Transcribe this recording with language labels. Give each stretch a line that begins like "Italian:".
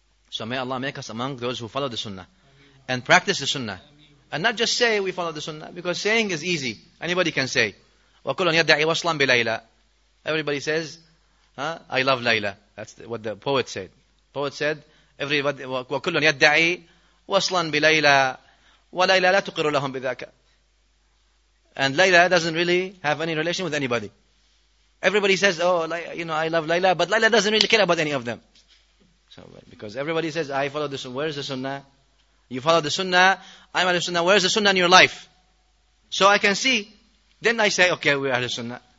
English: So may Allah make us among those who follow the Sunnah and practice the Sunnah. And not just say we follow the Sunnah, because saying is easy. Anybody can say.
Arabic: وَكُلُّنْ يَدَّعِي وَصْلًا بِلَيْلَى.
English: Everybody says, I love Layla. That's what the poet said. Poet said,
Arabic: وَكُلُّنْ يَدَّعِي وَصْلًا بِلَيْلَى وَلَيْلَى لَا تُقِرُ لَهُمْ بِذَاكَ.
English: And Layla doesn't really have any relation with anybody. Everybody says, I love Layla, but Layla doesn't really care about any of them. Because everybody says, I follow the Sunnah. Where is the Sunnah? You follow the Sunnah. I'm Ahlul Sunnah. Where is the Sunnah in your life? So I can see. Then I say, okay, we're Ahlul Sunnah.